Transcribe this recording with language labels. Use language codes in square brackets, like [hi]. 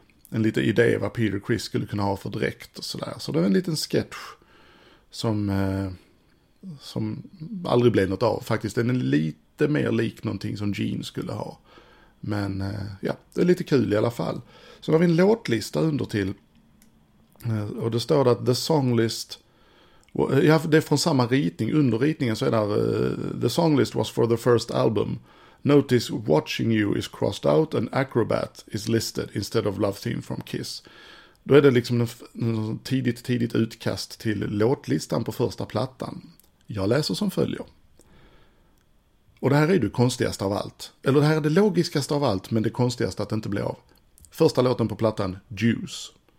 [sv] En liten idé vad Peter Chris skulle kunna ha för dräkt och sådär. Så det är en liten sketch som aldrig blev något av faktiskt. Den är lite mer lik någonting som Gene skulle ha. Men ja, det är lite kul i alla fall. Så har vi en låtlista under till. Och det står att The Songlist... Ja, det är från samma ritning. Under ritningen så är det [en] The Songlist was for the first album. Notice Watching You is crossed out and Acrobat is listed instead of Love Theme from Kiss. [sv] Då är det liksom en tidigt utkast till låtlistan på första plattan. Jag läser som följer. Och det här är det konstigaste av allt. Eller det här är det logiskaste av allt, men det konstigaste att det inte blir av. Första låten på plattan, Juice.